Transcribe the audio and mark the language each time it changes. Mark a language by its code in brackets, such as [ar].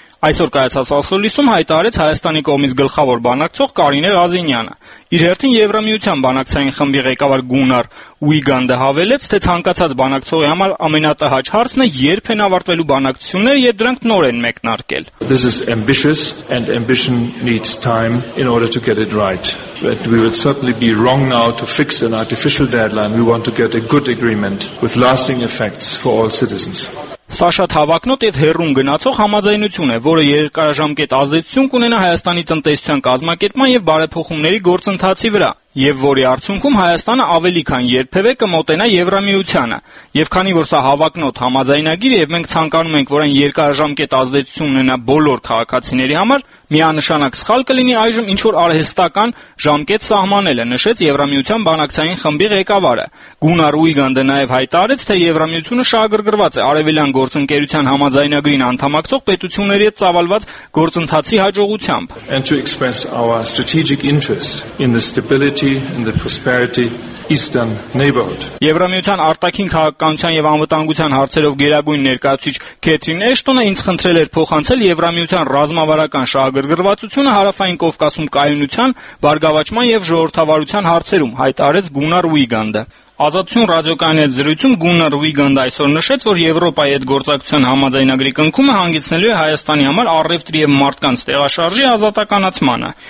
[hy] Այսօր կայացած ասոցիացիայում հայտարարեց Հայաստանի կողմից գլխավոր բանակցող Կարինե Ղազինյանը։ Իր հերթին Եվրամիության բանակցային խմբի ղեկավար Գունար Ուիգանդը հավելեց, թե ցանկացած բանակցողի համար ամենատհաճ հարցն է, երբ են ավարտվելու բանակցությունները, երբ դրանք նոր են մեկնարկել։ [en] This is ambitious and ambition needs time in order to get it right. But we would certainly be wrong now to fix an artificial deadline. We want to get a good agreement with lasting effects for all citizens. [hy] Սա շատ հավակնոտ եւ հերրում գնացող համաձայնություն է, որը երկարաժամկետ ազդեցություն կունենա Հայաստանի տնտեսության կազմակերպման եւ բարեփոխումների գործընթացի վրա, եւ որի արդյունքում Հայաստանը ավելի քան երբևէ կմոտենա Եվրամիությանը։ Եվ քանի որ սա հավակնոտ համաձայնագիր եւ մենք ցանկանում ենք, որ այն երկարաժամկետ ազդեցություն ունենա բոլոր քաղաքացիների համար, միանշանակ սխալ կլինի այժմ ինչ որ արհեստական ժամկետ սահմանելը, նշեց Եվրամիության բանակցային խմբի ղեկավարը։ Գունար Ուիգանդը նաև հայտարարեց, թե Եվրամիությունը շահագրգռված է Արևելյան գործընկերության համաձայնագրին անդամակցող պետությունների հետ ծավալված գործընթացի հաջողությամբ։ [en] And to express our strategic interest in the stability and the prosperity Eastern neighborhood. [hy] Եվրամիության արտաքին քաղաքականության եւ անվտանգության հարցերով գերագույն ներկայացուցիչ Քեթրին Էշտոնը ինձ խնդրել էր փոխանցել Եվրամիության ռազմավարական շահագրգռվածությունը հարավային Կովկասում կայունության, բարգավաճման եւ ժողովրդավարության հարցերում, հայտարարեց Գունար Ուիգանդը։ Ազատություն ռադիոկայանի զրույցում Գունար Ուիգանդը այսօր նշեց, որ Եվրոպայի հետ գործակցության համաձայնագրի կնքումը հանգեցնելու է Հայաստանի համար առևտրի եւ մարդկանց տեղաշարժի ազատականացմանը։